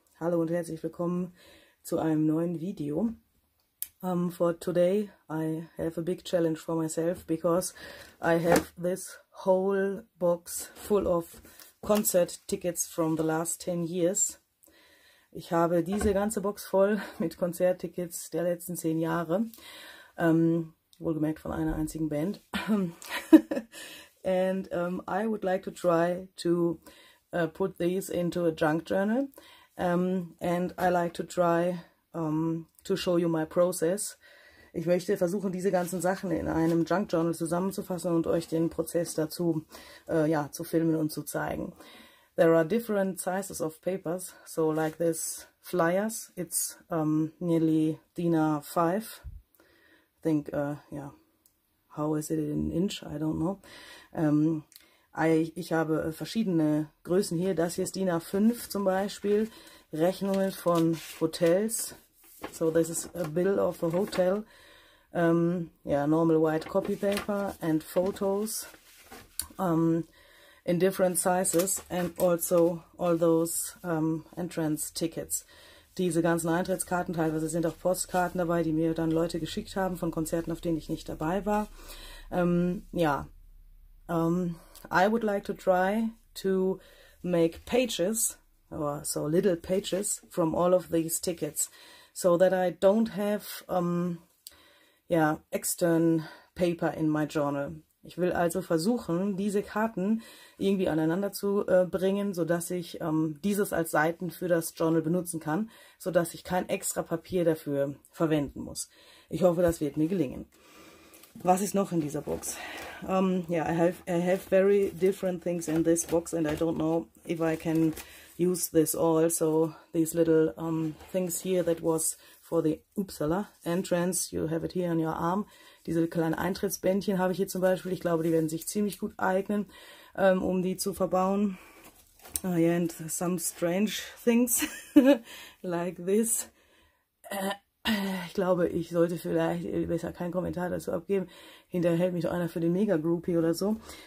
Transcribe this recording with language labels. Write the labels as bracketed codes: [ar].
[de] Hallo und herzlich willkommen zu einem neuen Video. [en] For today, I have a big challenge for myself because I have this whole box full of concert tickets from the last 10 years. [de] Ich habe diese ganze Box voll mit Konzerttickets der letzten 10 Jahre. Wohlgemerkt von einer einzigen Band. [en] And I would like to try to put these into a junk journal. And I like to try to show you my process. [de] Ich möchte versuchen, diese ganzen Sachen in einem Junk Journal zusammenzufassen und euch den Prozess dazu zu filmen und zu zeigen. [en] There are different sizes of papers. So like this flyers, it's nearly DIN A5. I think, how is it in inch? I don't know. [de] Ich habe verschiedene Größen hier. Das hier ist DIN A5 zum Beispiel. Rechnungen von Hotels. [en] So this is a bill of a hotel. Normal white copy paper and photos. In different sizes and also all those entrance tickets. [de] Diese ganzen Eintrittskarten, teilweise sind auch Postkarten dabei, die mir dann Leute geschickt haben von Konzerten, auf denen ich nicht dabei war. [en] I would like to try to make pages, or so little pages, from all of these tickets, so that I don't have external paper in my journal. [de] Ich will also versuchen, diese Karten irgendwie aneinander zu bringen, sodass ich dieses als Seiten für das Journal benutzen kann, sodass ich kein extra Papier dafür verwenden muss. Ich hoffe, das wird mir gelingen. Was ist noch in dieser Box? [en] I have very different things in this box and I don't know if I can use this all. So these little things here that was for the Uppsala entrance, you have it here on your arm. [de] Diese kleinen Eintrittsbändchen habe ich hier zum Beispiel. Ich glaube, die werden sich ziemlich gut eignen, um die zu verbauen. [en] And some strange things like this. [de] Ich glaube, ich sollte vielleicht besser keinen Kommentar dazu abgeben. Hinterher hält mich doch einer für den Mega-Groupie oder so.